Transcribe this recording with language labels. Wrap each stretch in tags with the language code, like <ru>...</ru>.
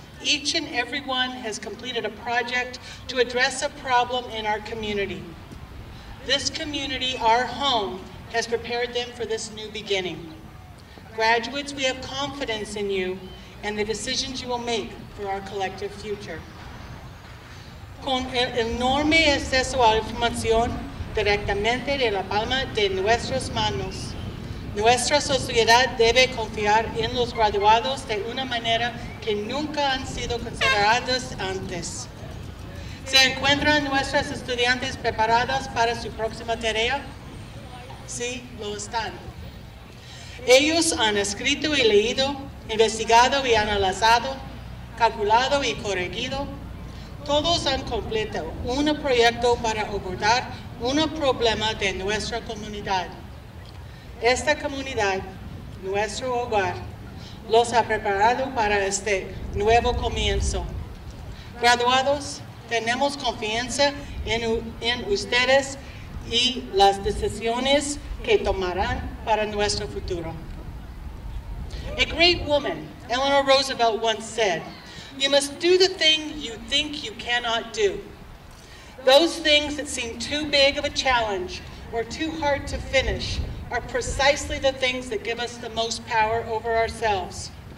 <en>Each and every one has completed a project to address a problem in our community. This community, our home, has prepared them for this new beginning. Graduates, we have confidence in you and the decisions you will make for our collective future.</en> <es>Con el enorme acceso a información directamente de la palma de nuestras manos, nuestra sociedad debe confiar en los graduados de una manera que nunca han sido consideradas antes. ¿Se encuentran nuestras estudiantes preparadas para su próxima tarea? Sí, lo están. Ellos han escrito y leído, investigado y analizado, calculado y corregido. Todos han completado un proyecto para abordar un problema de nuestra comunidad. Esta comunidad, nuestro hogar, los ha preparado para este nuevo comienzo. Graduados, tenemos confianza en ustedes y las decisiones que tomarán para nuestro futuro.</es> <en>A great woman, Eleanor Roosevelt, once said, "You must do the thing you think you cannot do. Those things that seem too big of a challenge or too hard to finish are precisely the things that give us the most power over ourselves.</en>